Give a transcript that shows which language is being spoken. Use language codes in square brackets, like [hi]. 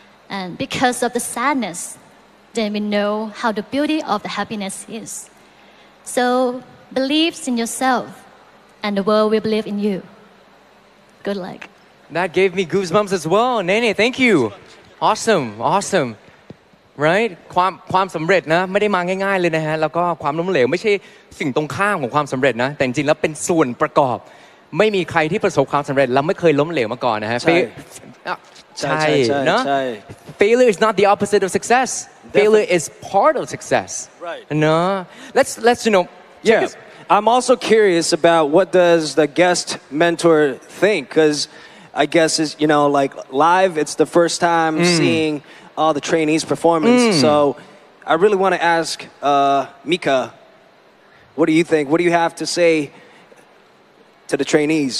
[en] And because of the sadness, then we know how the beauty of the happiness is. So believe in yourself, and the world will believe in you. Good luck. That gave me goosebumps as well. Nene, thank you. Awesome. right [th] ความสำเร็จนะไม่ได้มาง่ายๆเลยนะฮะแล้วก็ความล้มเหลวไม่ใช่สิ่งตรงข้ามของความสำเร็จนะแต่จริงๆแล้วเป็นส่วนประกอบไม่มีใครที่ประสบความสำเร็จแล้วไม่เคยล้มเหลวมาก่อนนะฮะ ใช่ใช่นะ [en] failure is not the opposite of success failure is part of success right no let's you know yeah I'm also curious about what does the guest mentor think because I guess is you know like live it's the first time seeing all the trainees performance so I really want to ask Mika what do you think what do you have to say to the trainees